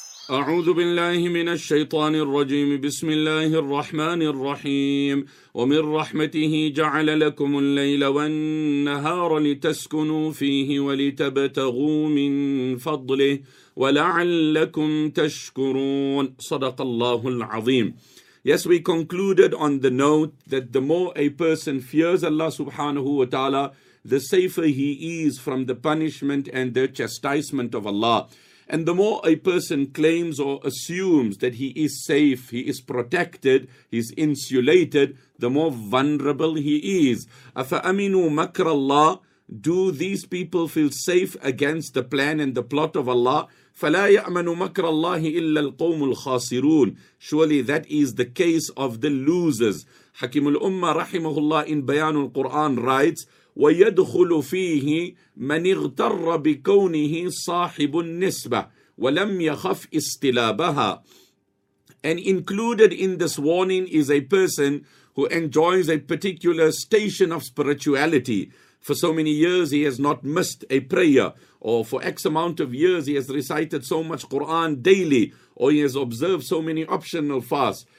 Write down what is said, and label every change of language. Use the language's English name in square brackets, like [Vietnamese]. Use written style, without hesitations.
[Arabic] أعوذ بالله من الشيطان الرجيم. بسم الله الرحمن الرحيم. ومن رحمته جعل لكم الليل والنهار لتسكنوا فيه ولتبتغوا من فضله ولعلكم تشكرون. صدق الله العظيم. [English] Yes, we concluded on the note that the more a person fears Allah subhanahu wa ta'ala, the safer he is from the punishment and the chastisement of Allah. And the more a person claims or assumes that he is safe, he is protected, he is insulated, the more vulnerable he is. [Arabic] أَفَأَمِنُوا مَكْرَ اللَّهِ. [English] Do these people feel safe against the plan and the plot of Allah? [Arabic] فَلَا يَأْمَنُ مَكْرَ اللَّهِ إِلَّا الْقَوْمُ الْخَاسِرُونَ. [English] Surely that is the case of the losers. [Arabic] حكيم الأمة رحمه الله in بيان القرآن writes, وَيَدْخُلُ فِيهِ مَنِ اغْتَرَّ بِكَوْنِهِ صَاحِبُ النِّسْبَةِ وَلَمْ يَخَفْ إِسْتِلَابَهَا. [English] And included in this warning is a person who enjoys a particular station of spirituality. For so many years he has not missed a prayer, or for X amount of years he has recited so much Quran daily, or he has observed so many optional fasts.